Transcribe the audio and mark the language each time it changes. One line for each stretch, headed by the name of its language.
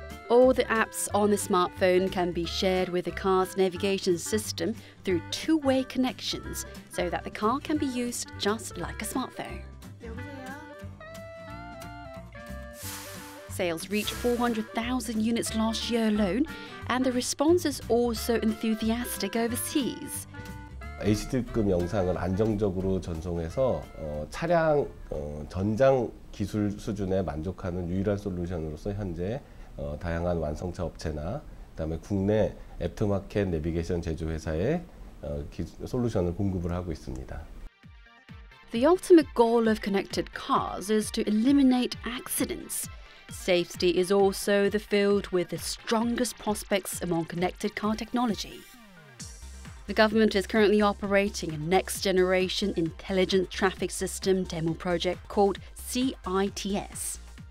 English: All the apps on the smartphone can be shared with the car's navigation system through two-way connections so that the car can be used just like a smartphone. Sales reached 400,000 units last year alone, and the response is also enthusiastic overseas.
Korean: HD급 영상을 안정적으로 전송해서 차량 전장 기술 수준에 만족하는 유일한 솔루션으로서 현재 다양한 완성차 업체나 그다음에 국내 애프터마켓 내비게이션 제조회사에 솔루션을 공급을 하고 있습니다.
English: The ultimate goal of connected cars is to eliminate accidents. Safety is also the field with the strongest prospects among connected car technology. The government is currently operating a next-generation intelligent traffic system demo project called CITS.